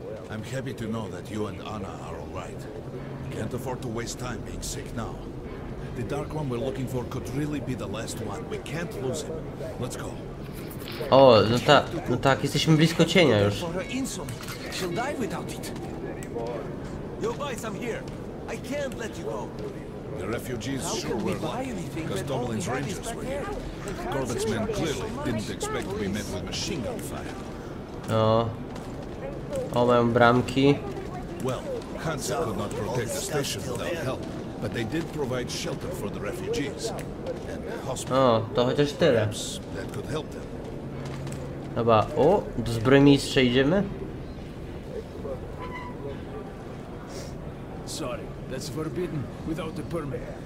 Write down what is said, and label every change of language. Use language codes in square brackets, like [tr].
[en] I'm happy to know that you and Anna are alright. Can't afford to waste time being sick now. The dark one we're looking for could really be the last one. We can't lose him. Let's go. [pl] Oh, no tak, jesteśmy blisko cienia już. [en] She'll die without it. Yo, guys, I'm here. I can't let you go. The refugees sure were lucky, because Dublin's rangers were here. Corbett's men clearly didn't expect to be met with machine gun fire. [pl] Oh, mają bramki. [en] Well, Hansa could not protect the station without help. But they did provide shelter for the refugees and hospital. [pl] Oh, to chociaż tyle. [en] That could help them. [pl] Dobra, o, do zbrojmistrza idziemy? [en] That's forbidden without the permit.